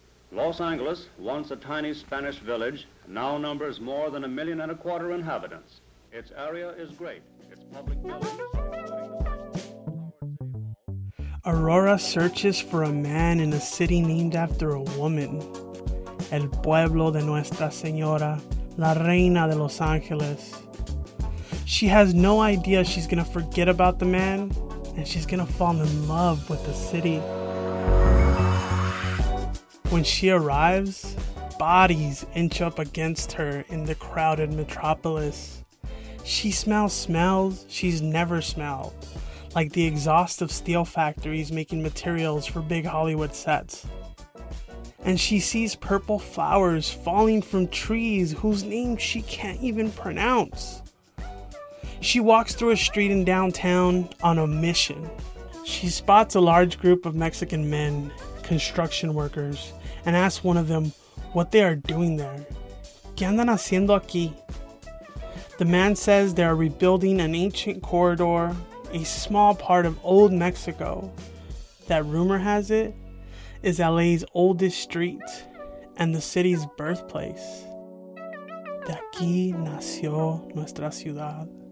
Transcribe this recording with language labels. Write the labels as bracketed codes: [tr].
[en] Los Angeles, once a tiny Spanish village, now numbers more than 1.25 million inhabitants. Its area is great. Its public buildings are including the Aurora searches for a man in a city named after a woman. [es] El pueblo de Nuestra Señora, la Reina de Los Angeles. [en] She has no idea she's gonna forget about the man, and she's gonna fall in love with the city. When she arrives, bodies inch up against her in the crowded metropolis. She smells smells she's never smelled, like the exhaust of steel factories making materials for big Hollywood sets. And she sees purple flowers falling from trees whose names she can't even pronounce. She walks through a street in downtown on a mission. She spots a large group of Mexican men, construction workers, and asks one of them what they are doing there. [es] ¿Qué andan haciendo aquí? [en] The man says they are rebuilding an ancient corridor, a small part of old Mexico, that rumor has it is LA's oldest street and the city's birthplace. [es] De aquí nació nuestra ciudad.